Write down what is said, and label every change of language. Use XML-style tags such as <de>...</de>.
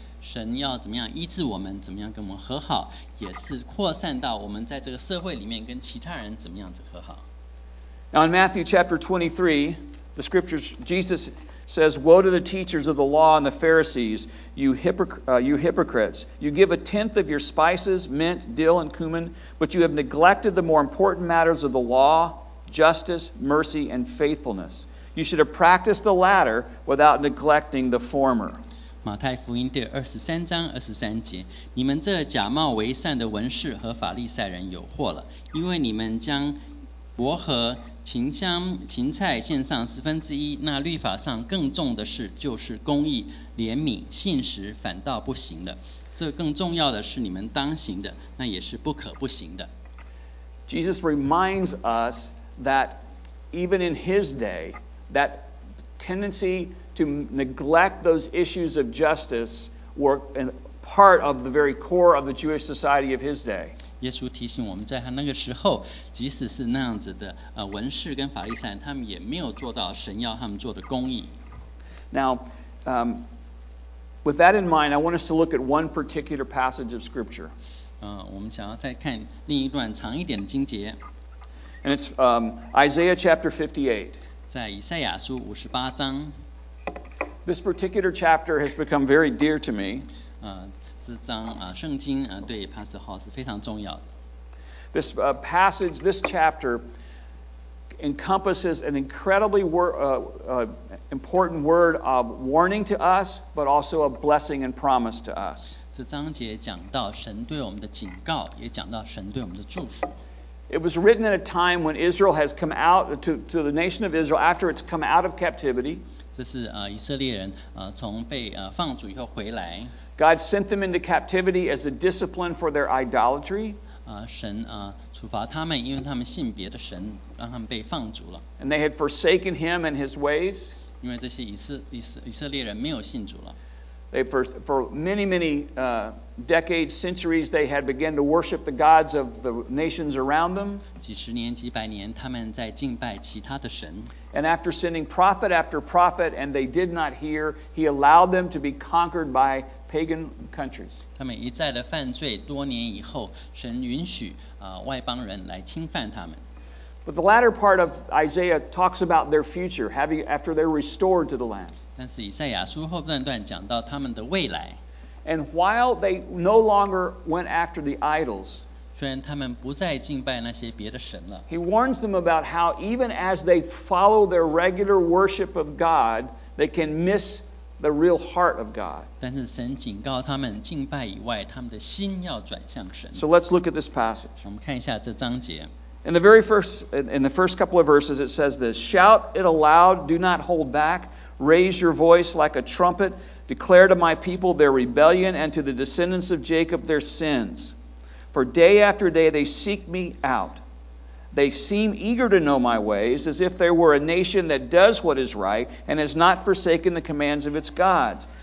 <zh>神要怎么样医治我们，怎么样跟我们和好，也是扩散到我们在这个社会里面跟其他人怎么样子和好。</zh> <en>Now in Matthew chapter 23, the Scriptures, Jesus says, Woe to the teachers of the law and the Pharisees, you hypocrites. You give a tenth of your spices, mint, dill, and cumin, but you have neglected the more important matters of the law, justice, mercy, and faithfulness. You should have practiced the latter without neglecting the former.</en> <zh>马太福音第二十三章二十三节，你们这假冒为善的文士和法利赛人有祸了，因为你们将薄荷芹香芹菜献上十分之一，那律法上更重的事，就是公义、怜悯、信实，反倒不行了。这更重要的是你们当行的，那也是不可不行的。</zh> <en>Jesus reminds us that even in His day, that tendency to neglect those issues of justice were part of the very core of the Jewish society of His day.</en> <zh>耶稣提醒我们，在他那个时候，即使是那样子的文士跟法利赛，他们也没有做到神要他们做的公义。</zh> <en>Now, with that in mind, I want us to look at one particular passage of Scripture.</en> <zh>我们想要再看另一段长一点的经节。</zh> <en>And it's Isaiah chapter 58.</en> <zh>在以赛亚书五十八章。</zh> <en>This particular chapter has become very dear to me.</en> <zh>这章圣经对 Pastor Hall 是非常重要的。</zh> <en>This passage, this chapter encompasses an incredibly important word of warning to us, but also a blessing and promise to us.</en> <zh>这章节讲到神对我们的警告，也讲到神对我们的祝福。</zh> <en>It was written at a time when Israel has come out to the nation of Israel after it's come out of captivity.</en> <zh>这是以色列人从被放逐以后回来。</zh> <en>God sent them into captivity as a discipline for their idolatry.</en> <zh>神处罚他们，因为他们信别的神，让他们被放逐了。</zh> <en>And they had forsaken Him and His ways.</en> <zh>因为这些以色列人没有信主了。</zh> <en>For many, many decades, centuries, they had begun to worship the gods of the nations around them.</en> <zh>几十年, 几百年, 他们在敬拜其他的神。</zh> <en>And after sending prophet after prophet, and they did not hear, he allowed them to be conquered by pagan countries.</en> <zh>他们一再的犯罪, 多年以后, 神允许, 外邦人来侵犯他们。</zh> <en>But the latter part of Isaiah talks about their future, having, after they're restored to the land.</en> <zh>但是以赛亚书后半段讲到他们的未来。</zh> <en>And while they no longer went after the idols,</en> <zh>虽然他们不再敬拜那些别的神了,</zh> <en>he warns them about how even as they follow their regular worship of God, they can miss the real heart of God.</en> <zh>但是神警告他们敬拜以外, 他们的心要转向神。</zh> <en>So let's look at this passage.</en> <zh>我们看一下这章节。</zh> <en>In the very first, in the first couple of verses, it says this, Shout it aloud, do not hold back. Raise your voice like a trumpet. Declare to my people their rebellion and to the descendants of Jacob their sins. For day after day they seek me out. They seem eager to know my ways, as if they were a nation that does what is right and has not forsaken the commands of its gods.</en>